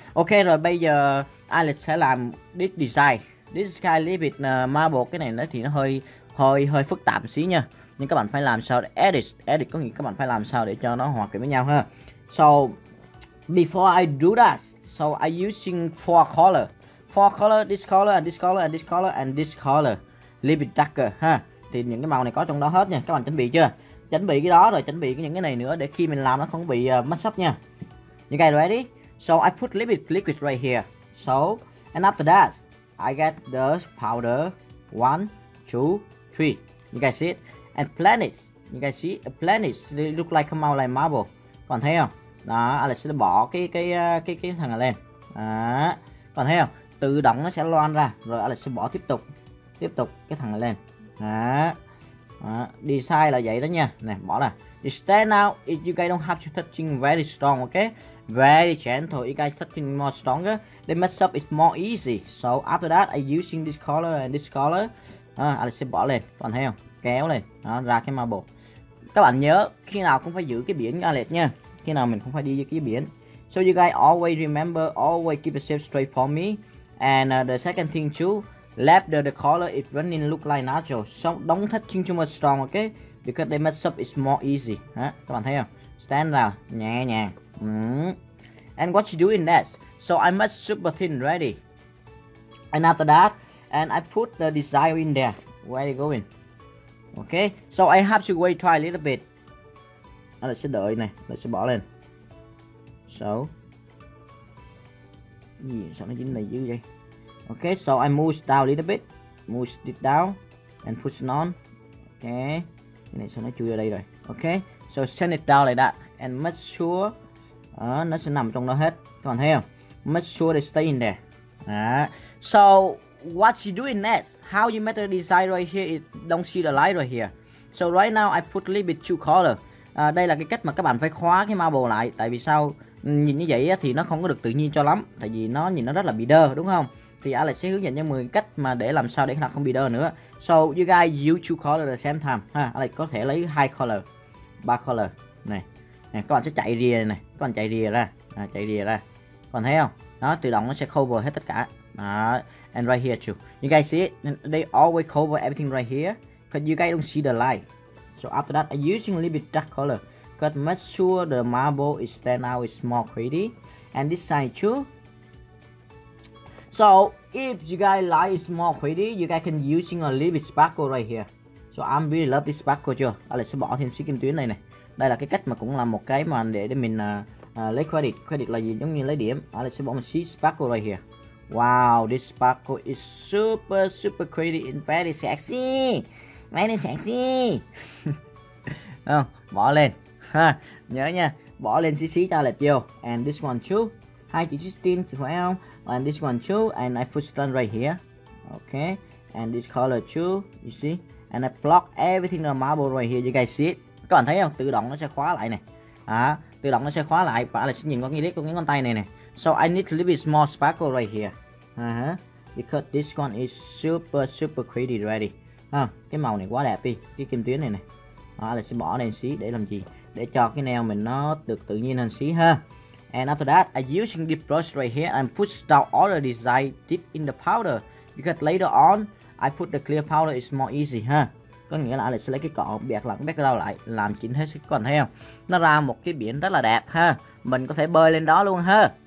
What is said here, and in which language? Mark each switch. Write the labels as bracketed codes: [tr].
[vi] Ok rồi bây giờ Alex sẽ làm [en] this design. This sky livid marble, [vi] cái này nó thì nó hơi phức tạp xí nha. Nhưng các bạn phải làm sao để edit có nghĩa các bạn phải làm sao để cho nó hòa quyện với nhau ha. [en] So before I do that, So I using four color. Four color, this color, and this color, and this color, and this color. Little bit darker, ha. [vi] Thì những cái màu này có trong đó hết nha. Các bạn chuẩn bị chưa? Chuẩn bị cái đó rồi, chuẩn bị những cái này nữa để khi mình làm nó không bị mess up nha. [en] You guys ready? So I put little bit liquid right here. So, and after that, I get the powder. 1, 2, 3. You guys see it? And plant it. You guys see? A plant it. It look like come out like marble. [vi] Các bạn thấy không? Đó, Alex sẽ bỏ cái thằng này lên. Đó. Các bạn thấy không? Tự động nó sẽ loan ra. Rồi Alex sẽ bỏ tiếp tục. Tiếp tục cái thằng này lên. Đó. Design là vậy đó nha. Nè, bỏ ra. [en] It stand out if you guys don't have to touching very strong, okay? Very gentle. You guys touching more stronger. The mess up is more easy. So after that, I using this color and this color. [vi] Alex sẽ bỏ lên. Các bạn thấy không? Kéo lên. Đó, ra cái marble. Các bạn nhớ, khi nào cũng phải giữ cái biển Alex nha. Khi nào mình không phải đi với cái biển. [en] So you guys always remember, always keep the shape straight for me. And the second thing too, left the color is running look like natural. So don't touching too much strong, okay? Because they mess up is more easy. Hả? [vi] Các bạn thấy không? [en] Stand out, [vi] nhẹ nhàng. [en] And what you doing next? So I make super thin ready. And after that, and I put the design in there. Where are you going? Okay, so I have to wait try a little bit. [vi] Alex sẽ đợi này, Alex sẽ bỏ lên. So gì sao nó dính này dữ vậy? [en] Okay, so I move down a little bit. Move it down and put it on. Okay. [vi] Cái này sao nó chui ở đây rồi. [en] Okay, so send it down like that. And make sure [vi] nó sẽ nằm trong đó hết. Các bạn thấy không? [en] Make sure they stay in there. Đó. So what you doing next? How you make the design right here? It don't see the light right here. So right now I put a little bit two color. [vi] Đây là cái cách mà các bạn phải khóa cái marble lại. Tại vì sao nhìn như vậy thì nó không có được tự nhiên cho lắm. Tại vì nó nhìn nó rất là bị đơ, đúng không? Thì Alex sẽ hướng dẫn cho 10 cách mà để làm sao để nó không bị đơ nữa. [en] So you guys use two color at the same time. [vi] Alex có thể lấy hai color, ba color này. Này, các bạn sẽ chạy rìa này, các bạn chạy rìa ra, chạy rìa ra. Các bạn thấy không? Đó, tự động nó sẽ cover hết tất cả. [en] Đó. And right here too. You guys see it? They always cover everything right here. Cause you guys don't see the light. So after that, I'm using a little bit dark color. Cause make sure the marble is stand out is more pretty. And this side too. So if you guys like it more pretty, you guys can using a little bit sparkle right here. So I'm really love this sparkle too. [vi] Alex sẽ bỏ thêm xíu kim tuyến này này. Đây là cái cách mà cũng là một cái mà để mình lấy credit. Credit là gì? Giống như lấy điểm. Alex sẽ bỏ một xíu [en] sparkle right here. Wow, this sparkle is super super pretty and very sexy. Very sexy. [vi] Bỏ lên. Nhớ nha, bỏ lên xí xí cho là vô. [en] And this one too. [vi] Hai chị Justin chị phải không? [en] And this one too. And I put stone right here. Okay. And this color too. You see? And I block everything on marble right here. You guys see it? [vi] Các bạn thấy không? Tự động nó sẽ khóa lại này. À, tự động nó sẽ khóa lại. Và là sẽ nhìn con nghiếc con những con tay này này. [en] So I need a little bit more sparkle right here. Because this one is super super pretty already. [vi] Cái màu này quá đẹp đi. Cái kim tuyến này này. Alex sẽ bỏ lên xí để làm gì? Để cho cái nail mình nó được tự nhiên hơn xí ha. [en] And after that, I using the brush right here and push down all the design deep in the powder. Because later on, I put the clear powder is more easy ha. [vi] Có nghĩa là Alex sẽ lấy cái cọ biệt lặng biệt đau lại làm chỉnh hết các bạn thấy không? Nó ra một cái biển rất là đẹp ha. Mình có thể bơi lên đó luôn ha.